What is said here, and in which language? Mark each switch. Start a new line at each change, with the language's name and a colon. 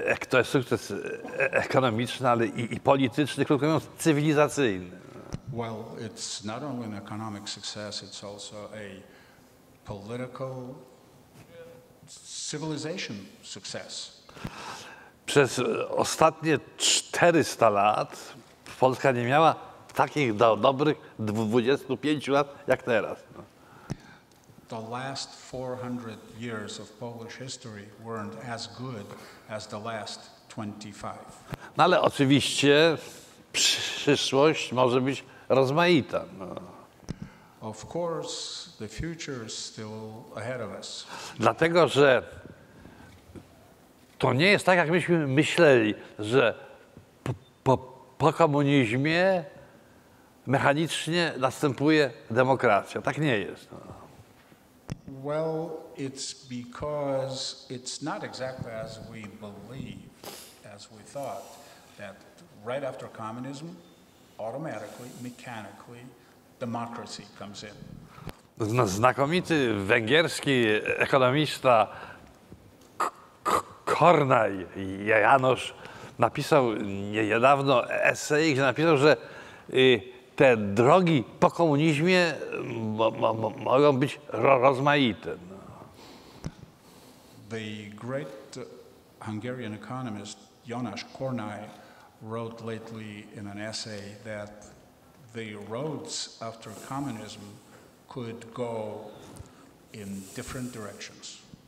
Polish: To jest sukces ekonomiczny, ale i polityczny, krótko mówiąc, cywilizacyjny.
English: Well, it's not only an economic success, it's also a political civilization success.
Polish: Przez ostatnie 400 lat Polska nie miała takich dobrych 25 lat jak teraz.
English: The last 400 years of Polish history weren't as good as the last 25.
Polish: No ale oczywiście przyszłość może być rozmaita. No.
English: Of course, the future is still ahead of us.
Polish: Dlatego, że to nie jest tak, jak myśmy myśleli, że po komunizmie mechanicznie następuje demokracja. Tak nie jest. No.
English: Well, it's because it's not exactly as we believed, as we thought, that right after communism, automatically, mechanically, democracy comes in.
Polish: Znakomity węgierski ekonomista Kornaj Janosz napisał niedawno esej, gdzie napisał, że te drogi po komunizmie mogą być rozmaite.
English: The great Hungarian economist Janosz Kornaj wrote lately in an essay that the roads after communism could go in different directions.